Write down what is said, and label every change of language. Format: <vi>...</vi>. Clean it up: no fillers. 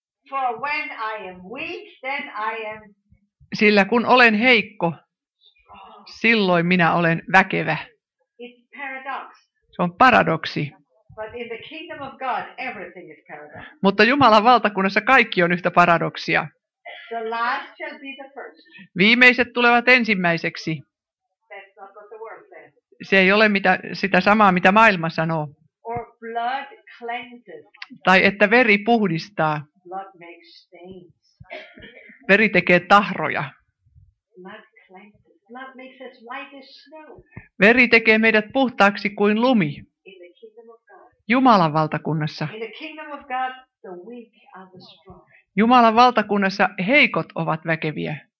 <en>For when I am weak, then I am...</en> <fi>Sillä kun olen heikko, silloin minä olen väkevä.</fi> <en>It's paradox.</en> <fi>Se on paradoksi.</fi> <en>But in the kingdom of God, everything is paradox.</en> <fi>Mutta Jumalan valtakunnassa kaikki on yhtä paradoksia.</fi> <en>The last shall be the first.</en> <fi>Viimeiset tulevat ensimmäiseksi.</fi> <en>That's not what the world says.</en> <fi>Se ei ole mitä, sitä samaa, mitä maailma sanoo.</fi> <en>Or blood cleanses.</en> <fi>Tai että veri puhdistaa.</fi> <en>Blood makes stains.</en> <fi>Veri tekee tahroja.</fi> <en>Blood cleanses. Blood makes us white as snow.</en> <fi>Veri tekee meidät puhtaaksi kuin lumi.</fi> <en>In the kingdom of God.</en> <fi>Jumalan valtakunnassa.</fi> <en>In the kingdom of God, the weak are the strong.</en> <fi>Jumalan valtakunnassa heikot ovat väkeviä.</fi>